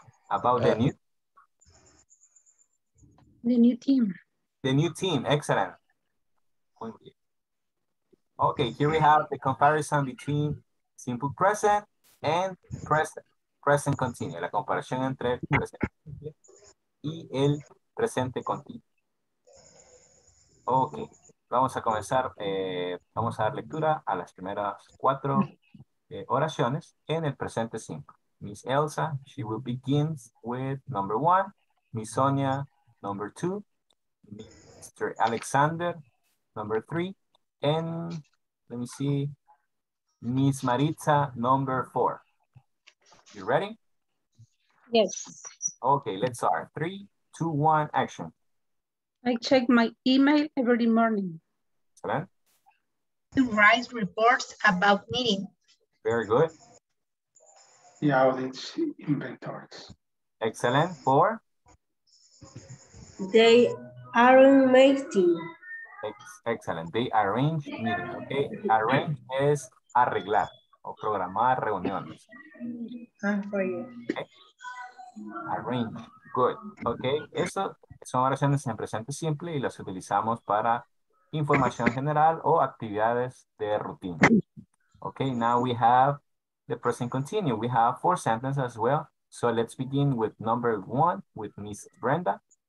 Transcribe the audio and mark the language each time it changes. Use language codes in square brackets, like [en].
[en] About the new team. The new team, excellent. Okay, here we have the comparison between simple present and present continuous. [es] La comparación entre el presente y el presente continuo. Okay, vamos a comenzar. Vamos a dar lectura a las primeras cuatro oraciones en el presente simple. [en] Miss Elsa, she will begin with number one. Miss Sonia, number two. Mr. Alexander, number three. And let me see. Miss Maritza, number four. You ready? Yes. Okay, let's start. 3, 2, 1, action. I check my email every morning. Excellent. To write reports about meeting. Very good. The audit's inventories. Excellent. Four. They arrange meeting. Excellent. They arrange meeting. Okay. Arrange is [es] arreglar o programar reuniones. [en] Okay. Arrange. Good. Okay. [es] Eso son oraciones en presente simple y las utilizamos para información general o actividades de rutina. [en] Okay. Now we have the present continue. We have four sentences as well. So let's begin with number one with Miss Brenda.